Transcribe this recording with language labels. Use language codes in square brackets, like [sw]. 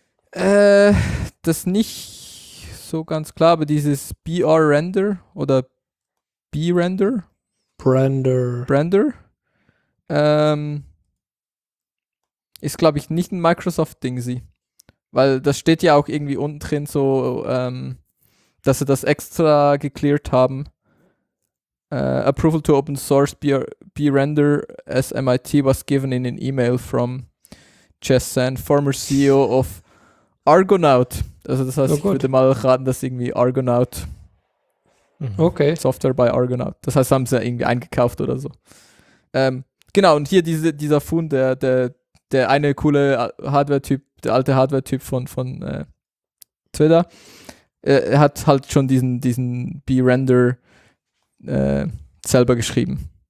[de] Das ist nicht so ganz klar, aber dieses BR Render oder B-Render? Brander. Ist, glaube ich, nicht ein Microsoft-Ding, sie. Weil das steht ja auch irgendwie unten drin, so, dass sie das extra geclearet haben. [en] Approval to open source B-Render as MIT was given in an email from Jess San, former CEO of Argonaut. [de] Also das heißt, ich würde mal raten, dass irgendwie Argonaut Software by Argonaut. Das heißt, haben sie ja irgendwie eingekauft oder so. Genau, und hier dieser Fund, der eine coole Hardware-Typ, der alte Hardware-Typ von Twitter, hat halt schon diesen B-Render selber geschrieben.